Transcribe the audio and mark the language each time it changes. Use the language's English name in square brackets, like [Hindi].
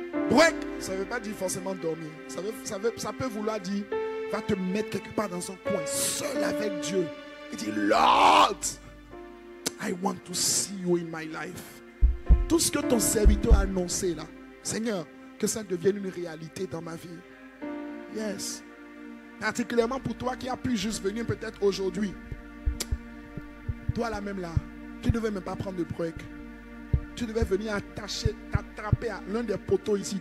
[French] Break, ça ne veut pas dire forcément dormir. Ça peut vouloir dire, va te mettre quelque part dans un coin, seul avec Dieu. Et dis, [English] Lord, I want to see you in my life. [French] Tout ce que ton serviteur a annoncé là, Seigneur, que ça devienne une réalité dans ma vie. Yes. Particulièrement pour toi qui as pu juste venir peut-être aujourd'hui. Toi là même là, tu ne devais même pas prendre de break. Tu devais venir t'attraper à l'un des poteaux ici.